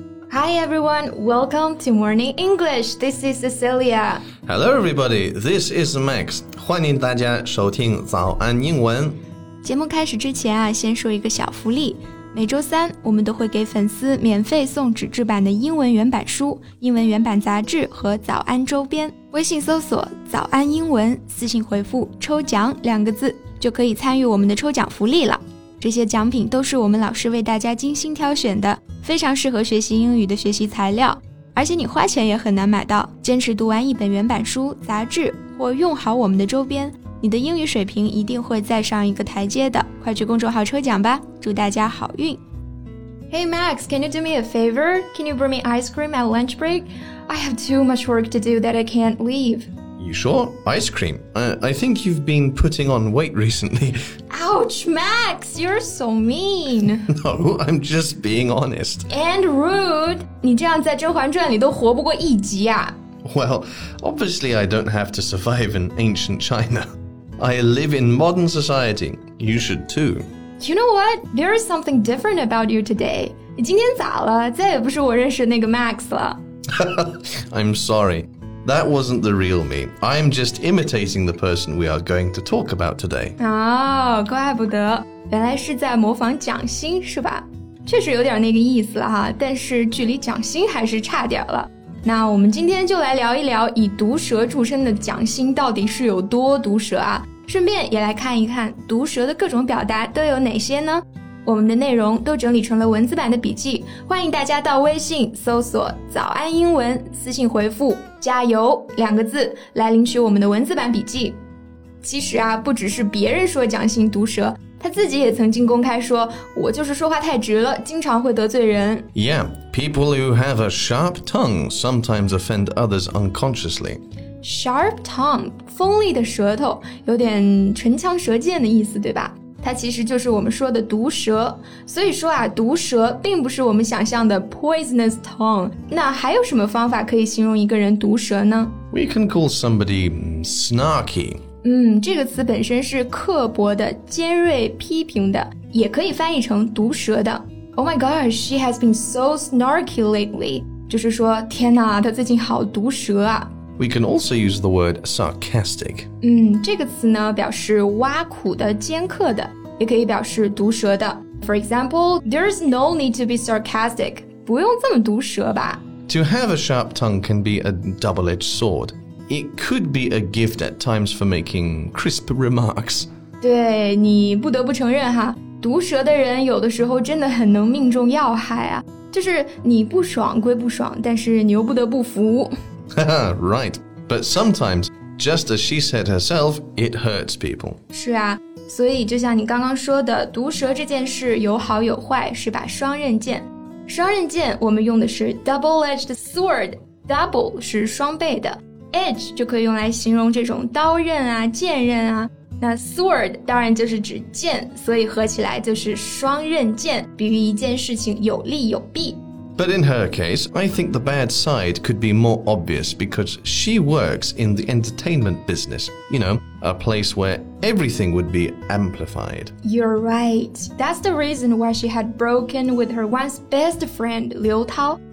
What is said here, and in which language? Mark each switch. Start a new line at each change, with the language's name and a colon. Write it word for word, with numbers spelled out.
English: Hi everyone, welcome to Morning English. This is Cecilia. Hello everybody, this is Max.
Chinese: 欢迎大家收听早安英文。节目开始之前啊，先说一个小福利。每周三我们都会给粉丝免费送纸质版的英文原版书、英文原版杂志和早安周边。微信搜索早安英文，私信回复抽奖两个字，就可以参与我们的抽奖福利了。这些奖品都是我们老师为大家精心挑选的，非常适合学习英语的学习材料，而且你花钱也很难买到。坚持读完一本原版书、杂志，或用好我们的周边，你的英语水平一定会再上一个台阶的。快去公众号抽奖吧，祝大家好运。
English: Hey Max, can you do me a favor? Can you bring me ice cream at lunch break? I have too much work to do that I can't leave. You sure? Ice cream? Uh, I think you've been putting on weight recently. Ouch, Max, you're so mean. No, I'm just being honest. And rude.
Chinese: 你这样在《甄嬛传》里都活不过一集啊。
English: Well, obviously I don't have to survive in ancient China. I live in modern society. You should too. You know what? There is something different about you today.
Chinese: 你今天咋了？再也不是我认识那个 Max 了。
English: I'm sorry. That wasn't the real me. I'm just imitating the person we are going to talk about today.
Chinese: 哦，怪不得，原来是在模仿蒋欣是吧？确实有点那个意思了哈，但是距离蒋欣还是差点了。那我们今天就来聊一聊以毒舌著称的蒋欣到底是有多毒舌啊，顺便也来看一看毒舌的各种表达都有哪些呢？我们的内容都整理成了文字版的笔记，欢迎大家到微信搜索早安英文，私信回复加油两个字来领取我们的文字版笔记。其实啊，不只是别人说蒋欣毒舌，他自己也曾经公开说，我就是说话太直了，经常会得罪人。
English: Yeah, people who have a sharp tongue sometimes offend others unconsciously. Sharp tongue,
Chinese: 锋利的舌头，有点唇枪舌剑的意思对吧？它其实就是我们说的毒舌，所以说啊，毒舌并不是我们想象的
English: poisonous tongue。
Chinese: 那还有什么方法可以形容一个人毒舌呢？
English: We can call somebody snarky.
Chinese: 嗯，这个词本身是刻薄的、尖锐、批评的，也可以翻译成毒舌的。
English: Oh my gosh, she has been so snarky lately.
Chinese: 就是说，天哪，她最近好毒舌啊。
English: We can also use the word sarcastic.
Chinese: 嗯，这个词呢表示挖苦的、尖刻的，也可以表示毒舌的。
English: For example, there's no need to be sarcastic.
Chinese: 不用这么毒舌吧。
English: To have a sharp tongue can be a double-edged sword. It could be a gift at times for making crisp remarks.
Chinese: 对，你不得不承认哈，毒舌的人有的时候真的很能命中要害啊。就是你不爽归不爽，但是你又不得不服。
English: Right, but sometimes, just as she said herself, it hurts people.
Chinese: 是啊，所以就像你刚刚说的，毒舌这件事有好有坏，是把双刃剑。双刃剑我们用的是
English: double-edged sword,
Chinese: double 是双倍的， edge 就可以用来形容这种刀刃啊、剑刃啊。那 sword 当然就是指剑，所以合起来就是双刃剑，比喻一件事情有利有弊。
English: But in her case, I think the bad side could be more obvious because she works in the entertainment business. You know, a place where everything would be amplified. You're right. That's the reason why she had broken with her once best friend, Liu Tao.